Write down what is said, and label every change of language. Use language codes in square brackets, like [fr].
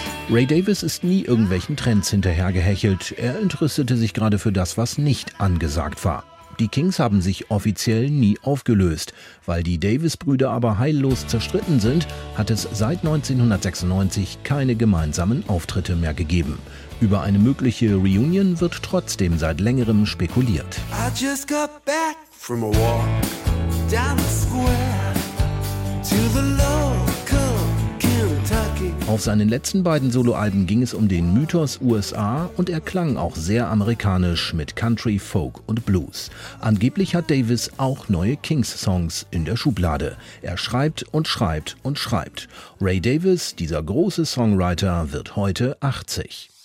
[de] Ray Davies ist nie irgendwelchen Trends hinterhergehechelt. Er interessierte sich gerade für das, was nicht angesagt war. Die Kinks haben sich offiziell nie aufgelöst. Weil die Davies-Brüder aber heillos zerstritten sind, hat es seit 1996 keine gemeinsamen Auftritte mehr gegeben. Über eine mögliche Reunion wird trotzdem seit längerem spekuliert. [en] I just got back from a walk down the square to the local Kentucky. [de] Auf seinen letzten beiden Soloalben ging es um den Mythos USA und er klang auch sehr amerikanisch mit Country, Folk und Blues. Angeblich hat Davies auch neue Kinks-Songs in der Schublade. Er schreibt und schreibt und schreibt. Ray Davies, dieser große Songwriter, wird heute 80.